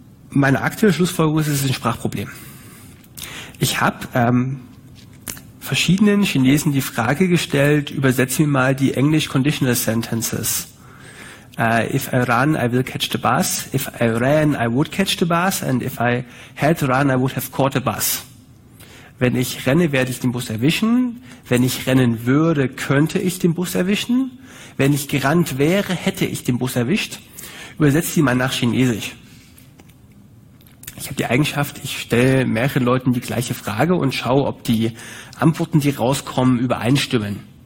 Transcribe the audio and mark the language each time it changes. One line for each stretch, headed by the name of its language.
German: Meine aktuelle Schlussfolgerung ist, es ist ein Sprachproblem. Ich habe verschiedenen Chinesen die Frage gestellt, übersetzen wir mal die English Conditional Sentences.
English: If I run, I will catch the bus. If I ran, I would catch the bus. And if I had run, I would have caught the bus.
German: Wenn ich renne, werde ich den Bus erwischen. Wenn ich rennen würde, könnte ich den Bus erwischen. Wenn ich gerannt wäre, hätte ich den Bus erwischt. Übersetzt sie mal nach Chinesisch. Ich habe die Eigenschaft, ich stelle mehreren Leuten die gleiche Frage und schaue, ob die Antworten, die rauskommen, übereinstimmen.